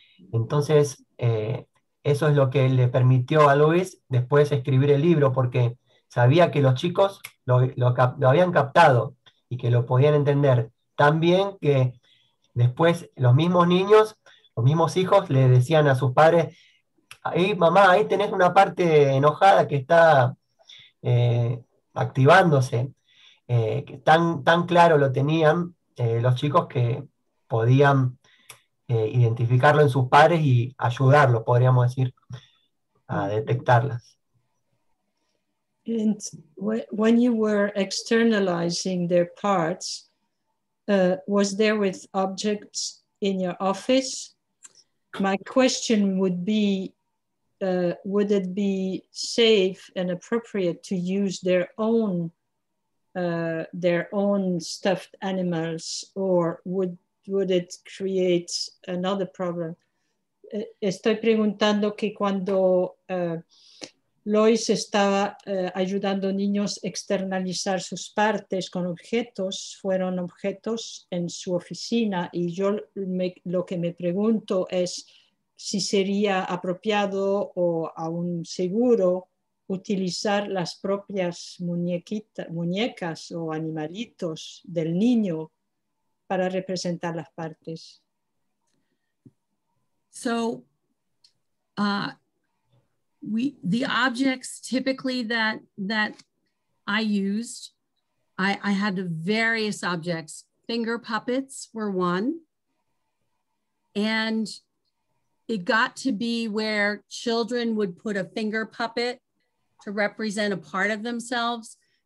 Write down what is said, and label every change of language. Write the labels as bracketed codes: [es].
[es] Entonces, eso es lo que le permitió a Luis después escribir el libro, porque sabía que los chicos lo habían captado, y que lo podían entender tan bien que después los mismos niños, los mismos hijos, le decían a sus padres, ahí, mamá, ahí tenés una parte enojada que está activándose. Tan claro lo tenían los chicos que podían identificarlo en sus padres y ayudarlos, podríamos decir, a detectarlas. [en] And when you were externalizing their parts, was there with objects in your office? My question would be, would it be safe and appropriate to use their own stuffed animals, or would it create another problem? [es] Estoy preguntando que cuando Lois estaba ayudando niños a externalizar sus partes con objetos, fueron objetos en su oficina, y yo lo que me pregunto es si sería apropiado o aún seguro utilizar las propias muñecas o animalitos del niño para representar las partes. [en] The objects typically that I used, I had various objects. Finger puppets were one. And it got to be where children would put a finger puppet to represent a part of themselves.